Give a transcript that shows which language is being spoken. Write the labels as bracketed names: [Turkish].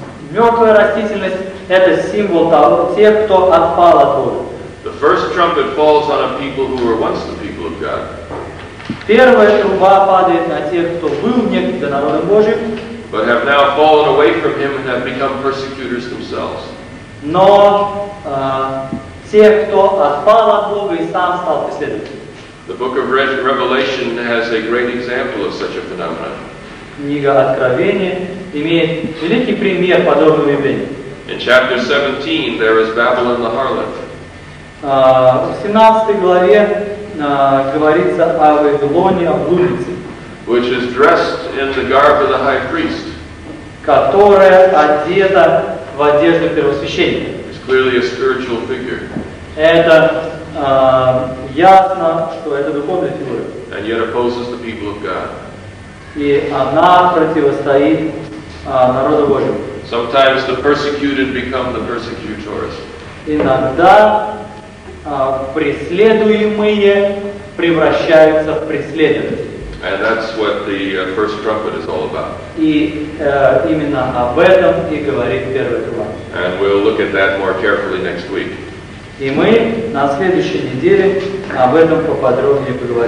[Russian] Мертвая растительность — это символ того, тех, кто отпал от Бога. [English] The first trumpet falls on a people who were once the people of God. [Russian] Первая труба падает на тех, кто был некогда народом Божьим. [English] But have now fallen away from Him and have become persecutors themselves. [Russian] Но те, кто отпал от Бога и сам стал преследователем. [English] The book of Revelation has a great example of such a phenomenon. [Russian] Книга Откровения имеет великий пример подобного явления. [English] In chapter 17 there is Babylon the harlot. [Russian] В 17 главе говорится о Вавилоне, о блуднице, [English] which is dressed in the garb of the high priest, [Russian] которая одета в одежду первосвященника. [English] It's clearly a spiritual figure. [Russian] Это ясно, что это духовная фигура. [English] And yet opposes the people of God. [Russian] И она противостоит народу Божьему. [English] Sometimes the persecuted become the persecutors. [Russian] Иногда преследуемые превращаются в преследователей. [English] And that's what the first trumpet is all about. [Russian] И именно об этом и говорит первая труба. [English] And we'll look at that more carefully next week. [Russian] И мы на следующей неделе об этом поподробнее поговорим.